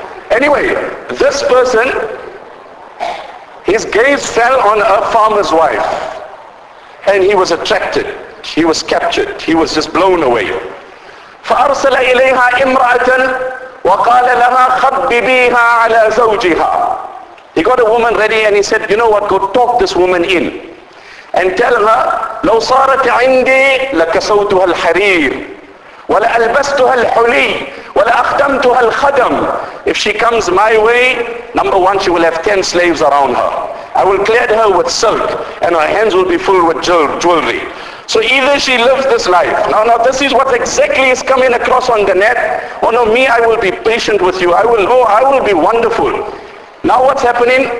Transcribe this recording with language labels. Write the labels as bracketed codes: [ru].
[en] Anyway, this person, his gaze fell on a farmer's wife. And he was attracted. He was captured. He was just blown away. [ar] فَأَرْسَلَ إِلَيْهَا إِمْرَأَةً وَقَالَ لَهَا خَبِّبِيهَا عَلَى زَوْجِهَا. [en] He got a woman ready and he said, you know what, go talk this woman in. And tell her, [ar] لو صارت عندي لكسوتها الحرير ولألبستها الحلي ولأخدمتها الخدم. [en] If she comes my way, number one, she will have 10 slaves around her. I will clad her with silk and her hands will be full with jewelry. So either she lives this life. Now this is what exactly is coming across on the net. Oh no, me, I will be patient with you. I will be wonderful. Now what's happening?